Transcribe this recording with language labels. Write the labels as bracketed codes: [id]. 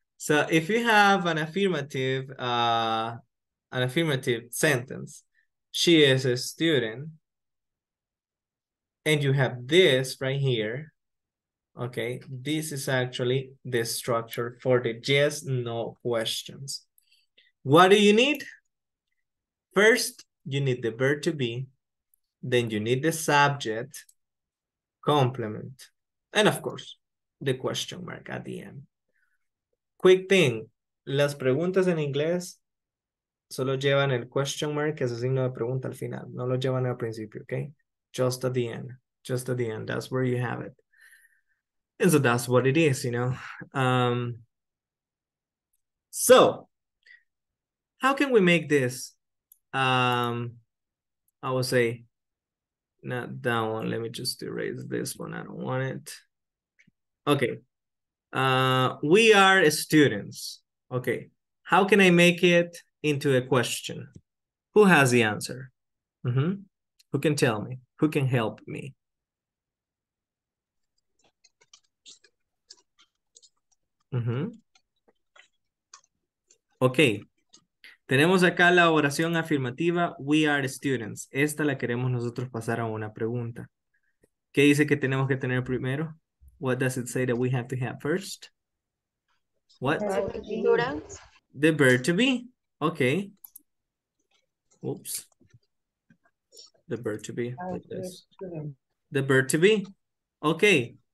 [en] So if you have an affirmative sentence, she is a student, and you have this right here, okay, this is actually the structure for the yes, no questions. What do you need? First, you need the verb to be, then you need the subject, complement, and of course, the question mark at the end. Quick thing, [es] las preguntas en inglés solo llevan el question mark, que es el signo de pregunta al final, no lo llevan al principio, okay? [en] Just at the end, that's where you have it. And so that's what it is, you know? So, how can we make this? I would say, not that one, let me just erase this one, I don't want it. Okay. We are students. Okay, how can I make it into a question? Who has the answer? Mm-hmm. Who can tell me? Who can help me? Mm-hmm. [es] Okay, tenemos acá la oración afirmativa, [en] we are students. [es] Esta la queremos nosotros pasar a una pregunta. ¿Qué dice que tenemos que tener primero? [en] What does it say that we have to have first? What? The verb to be. Okay. Oops. The verb to be. Like this. The verb to be. Okay.